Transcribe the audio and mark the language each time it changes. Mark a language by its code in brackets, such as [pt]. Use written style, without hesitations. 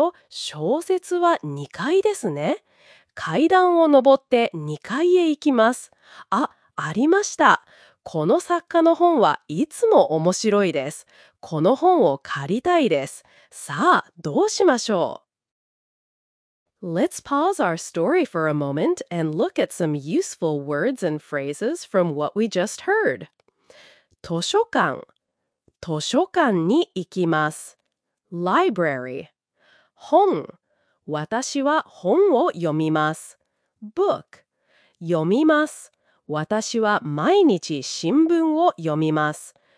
[ja] 小説は2階ですね。階段を上って2階へ行きます。あ、ありました。この作家の本はいつも面白いです。この本を借りたいです。さあ、どうしましょう？ [en] Let's pause our story for a moment and look at some useful words and phrases from what we just heard. [ja] 図書館、図書館に行きます。 Library 本、私は本を読みます。 Book 読みます。私は毎日新聞を読みます。